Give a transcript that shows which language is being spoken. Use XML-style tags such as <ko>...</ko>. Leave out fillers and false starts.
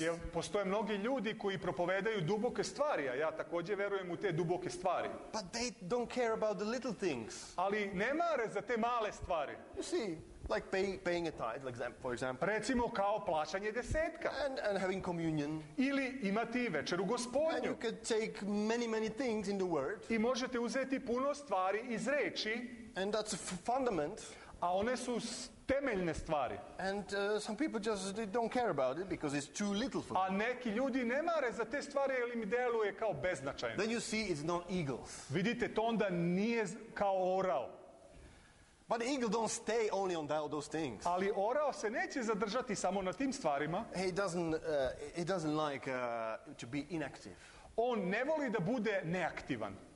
<sr>Jer postoje mnogi ljudi koji propovedaju duboke stvari, a ja također vjerujem u te duboke stvari.</sr> <en>But they don't care about the little things.</en> <sr>Ali ne mare za te male stvari.</sr> <en>You see, like paying a tithe, for example.</en> <sr>Recimo kao plaćanje desetka.</sr> <en>And having communion.</en> <sr>Ili imati večeru Gospodnju.</sr> <en>And you could take many things in the word.</en> <sr>I možete uzeti puno stvari iz reči.</sr> <en>And that's a fundament.</en> <sr>A one su temeljne stvari.</sr> <en>And some people just they don't care about it because it's too little for them.</en> <sr>A neki ljudi ne mare za te stvari jer im deluje kao beznačajno.</sr> <en>Then you see it's not eagles.</en> <sr>Vidite, to onda nije kao orao.</sr> <en>But the eagle don't stay only on those things.</en> <sr>Ali orao se neće zadržati samo na tim stvarima.</sr> <en>He doesn't like to be inactive.</en> <sr>On ne voli da bude neaktivan.</sr>